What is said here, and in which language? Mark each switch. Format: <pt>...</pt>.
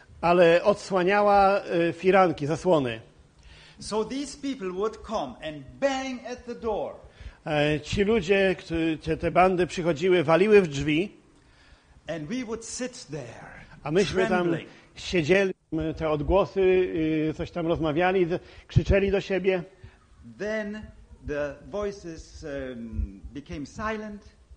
<pl>Ale odsłaniała firanki, zasłony.</pl> <en>So these people would come and bang at the door.</en> <pl>Ci ludzie, te bandy przychodziły, waliły w drzwi.</pl> <en>And we would sit there.</en> <pl>A myśmy tam siedzieli, te odgłosy, coś tam rozmawiali, krzyczeli do siebie.</pl> <en>Then the voices became silent.</en>